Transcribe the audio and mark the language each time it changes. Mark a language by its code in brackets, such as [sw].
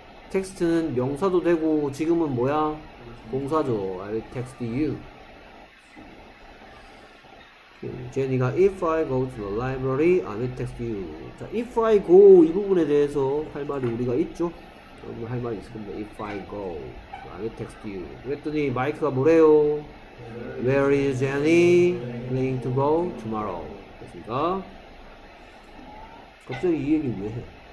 [ko] 텍스트는 명사도 되고, 지금은 뭐야? 동사죠. [en] I will text you. 제니가 if I go to the library, I will text you. [ko] 자, [en] if I go [ko] 이 부분에 대해서 할 말이 우리가 있죠? 여러분 할 말이 있을 겁니다. [en] If I go, I will text you. [ko] 그랬더니 마이크가 뭐래요? [en] Where is Jenny planning to go tomorrow? [ko] 됐습니까? 갑자기 이 얘기 왜 해?